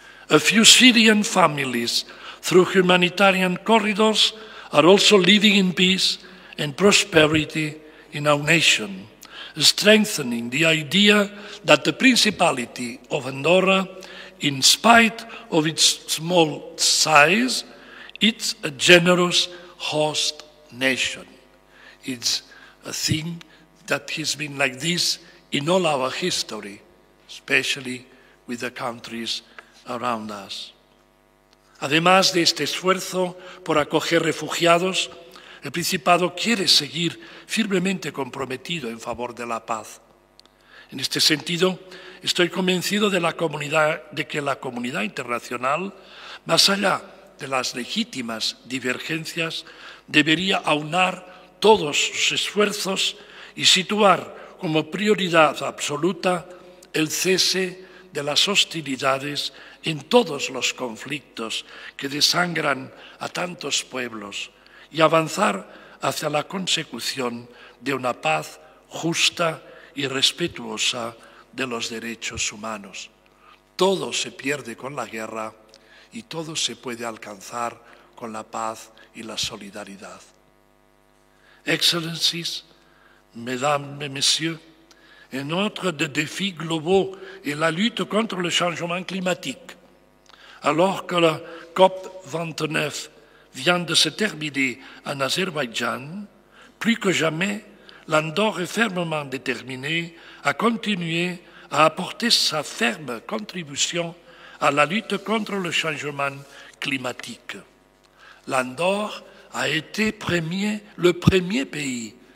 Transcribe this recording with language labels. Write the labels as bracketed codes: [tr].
[en] A few Syrian families through humanitarian corridors are also living in peace and prosperity in our nation, strengthening the idea that the Principality of Andorra, in spite of its small size, it's a generous host nation. It's a thing that has been like this in all our history, especially with the countries around us. [es] Además de este esfuerzo por acoger refugiados, el Principado quiere seguir firmemente comprometido en favor de la paz. En este sentido, estoy convencido de que la comunidad internacional, más allá de las legítimas divergencias, debería aunar todos sus esfuerzos y situar como prioridad absoluta el cese de las hostilidades en todos los conflictos que desangran a tantos pueblos y avanzar hacia la consecución de una paz justa y respetuosa de los derechos humanos. Todo se pierde con la guerra y todo se puede alcanzar con la paz y la solidaridad. [fr] Excellencies, Mesdames et Messieurs, [es] en otro [fr] de défis globaux y la lutte contre le changement climatique, alors que la COP29 vient de se terminer en Azerbaïdjan, plus que jamais, l'Andorre est fermement déterminée à continuer à apporter sa ferme contribution à la lutte contre le changement climatique. L'Andorre a été le premier pays